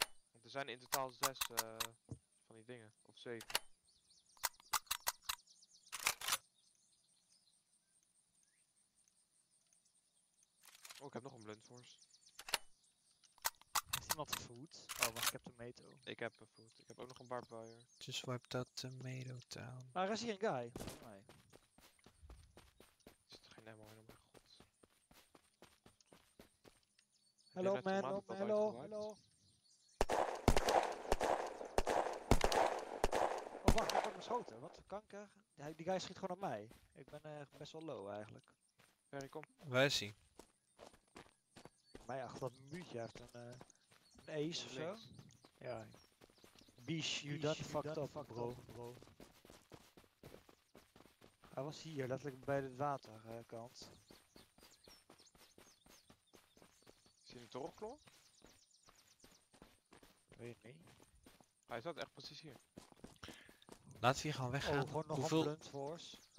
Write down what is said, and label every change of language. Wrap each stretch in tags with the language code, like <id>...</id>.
<nl>Want er zijn in totaal 6 van die dingen, of 7. Oh, ik heb nog een blunt force. Heeft iemand food? Oh, wacht, ik heb tomato. Ik heb food. Ik heb ook nog een barbed wire.</nl> <en>Just wipe that tomato down.</en> <nl>Waar is hier een guy? Nee. Er zit geen ammo in, oh mijn god.</nl> <en>Hello man, hello.</en> <nl>Oh wacht, ik heb hem geschoten. Wat voor kanker? Die guy schiet gewoon op mij. Ik ben best wel low eigenlijk. Harry, kom. Waar is hij? Maar ja, achter dat muurtje heeft een ace of zo. Ja.</nl> <en>Bish, you done fucked up, bro.</en> <nl>Hij was hier, letterlijk bij de waterkant. Is hij in de torenklon? Weet ik niet. Hij zat echt precies hier. Laat hij hier gewoon weggaan. Oh, gewoon nog een blunt force.</nl>